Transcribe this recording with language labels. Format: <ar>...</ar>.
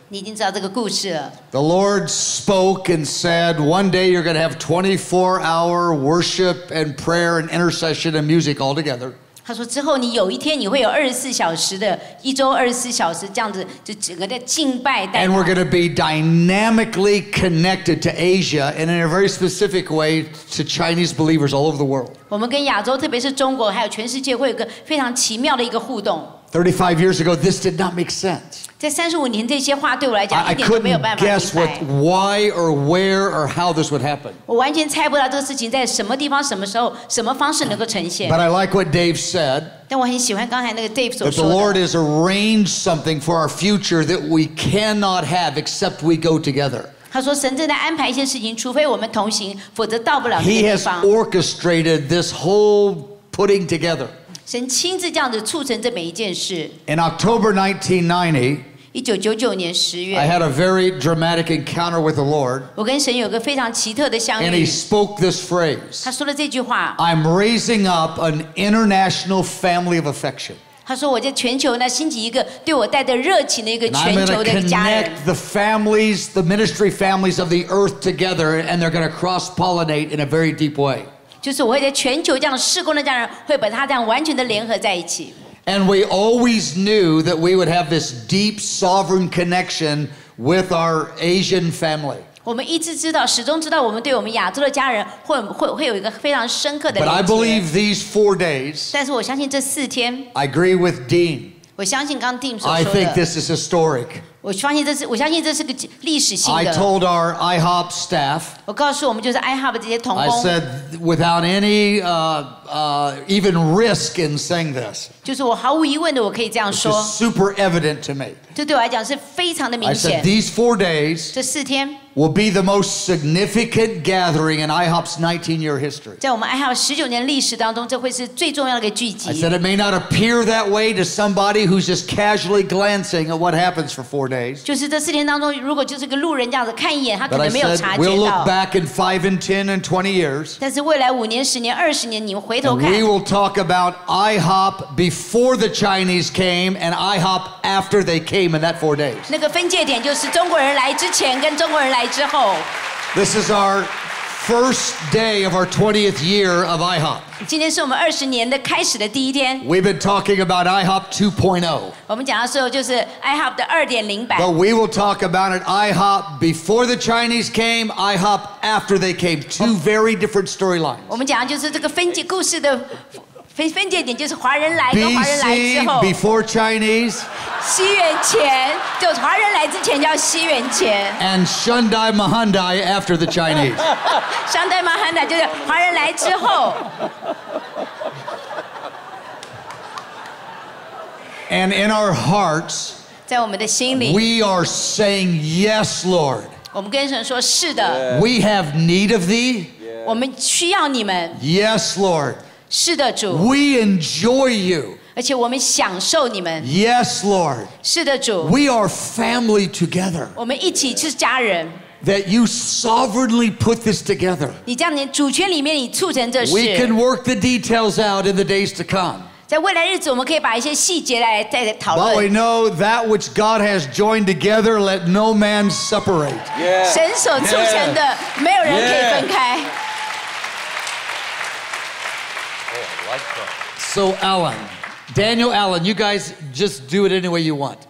<en>The Lord spoke and said, one day you're going to have 24-hour worship and prayer and intercession and music all together. And we're going to be dynamically connected to Asia and in a very specific way to Chinese believers all over the world.</en> <zh>我们跟亚洲，特别是中国，还有全世界，会有个非常奇妙的一个互动。</zh> <en>35 years ago, this did not make sense.</en> <zh>在35年，这些话对我来讲一点都没有办法明白。</zh> <en>I couldn't guess what, why, or where, or how this would happen.</en> <zh>我完全猜不到这个事情在什么地方、什么时候、什么方式能够呈现。</zh> <en>But I like what Dave said.</en> <zh>但我很喜欢刚才那个 Dave 所说的。</zh> <en>That the Lord has arranged something for our future that we cannot have except we go together.</en> <zh>他说神正在安排一些事情，除非我们同行，否则到不了那个地方。</zh> <en>He has orchestrated this whole putting together.</en> <zh>神亲自这样子促成这每一件事。</zh> <en>In October 1990,</en> <zh>1999年十月</zh> <en>，I had a very dramatic encounter with the Lord.</en> <zh>我跟神有个非常奇特的相遇。</zh> <en>And He spoke this phrase.</en> <zh>他说了这句话。</zh> <en>I'm raising up an international family of affection.</en> <zh>他说：“我在全球呢，兴起一个对我带着热情的一个全球的家人。”</zh> <en>And I'm going to connect the families, the ministry families of the earth together, and they're going to cross-pollinate in a very deep way.</en> <zh>就是我会在全球这样事工的家人，会把他这样完全的联合在一起。</zh> <en>And we always knew that we would have this deep sovereign connection with our Asian family.</en> <zh>我们一直知道，始终知道，我们对我们亚洲的家人会有一个非常深刻的连接。</zh> <en>But I believe these 4 days.</en> <zh>但是我相信这四天。</zh> <en>I agree with Dean.</en> <zh>我相信刚 Dean 所说的。</zh> <en>I think this is historic.</en> <zh>我相信这是个历史性的。</zh> <en>I told our IHOP staff.</en> <zh>我告诉我们就是 IHOP 这些同工。</zh> <en>I said without any even risk in saying this.</en> <zh>就是我毫无疑问的，我可以这样说。</zh> <en>Super evident to me.</en> <zh>这对我来讲是非常的明显。</zh> <en>I said these 4 days.</en> <zh>这四天。</zh> <en>Will be the most significant gathering in IHOP's 19-year history.</en> <zh>在我们 IHOP 19年历史当中，这会是最重要的一个聚集。</zh> <en>I said it may not appear that way to somebody who's just casually glancing at what happens for 4 days.</en> <zh>就是这四天当中，如果就是个路人这样子看一眼，他可能没有察觉到。</zh> <en>But I said we'll look back in 5 and 10 and 20 years.</en> <zh>但是未来5年、10年、20年，你们回头看。</zh> <en>We will talk about IHOP before the Chinese came and IHOP after they came in that 4 days.</en> <zh>那个分界点就是中国人来之前跟中国人。</zh> <en>This is our first day of our 20th year of IHOP.</en> <zh>今天是我们二十年的开始的第一天。</zh> <en>We've been talking about IHOP 2.0.</en> <zh>我们讲的时候就是 IHOP 的2.0版。</zh> <en>But we will talk about it IHOP before the Chinese came, IHOP after they came. Two very different storylines.</en> <zh>我们讲的就是这个分界故事的分界点就是华人来跟华人来之后。</zh> <en>Before Chinese.</en> <zh>西元前，就华人来之前叫西元前。</zh> <en>And Shandai Mahandai after the Chinese.</en> <zh>Shandai Mahandai 就是华人来之后。</zh> <en>And in our hearts,</en> <zh>在我们的心里，</zh> <en>we are saying yes, Lord.</en> <zh>我们跟神说是的。</zh> <en>We have need of Thee.</en> <zh>我们需要你们。</zh> <en>Yes, Lord.</en> <zh>是的，主。</zh> <en>We enjoy you.</en> <zh>而且我们享受你们。</zh> <en>Yes, Lord.</en> <zh>是的，主。</zh> <en>We are family together.</en> <zh>我们一起是家人。</zh> <en>That you sovereignly put this together.</en> <zh>你这样，你主权里面你促成这事。</zh> <en>We can work the details out in the days to come.</en> <zh>在未来日子，我们可以把一些细节来再讨论。</zh> <en>But we know that which God has joined together, let no man separate. Yeah.</en> <zh>神所促成的，</zh> <en>yeah.</en> <zh>没有人可以分开。Yeah.</zh> <en>So Alan, Daniel Alan, you guys just do it any way you want.</en>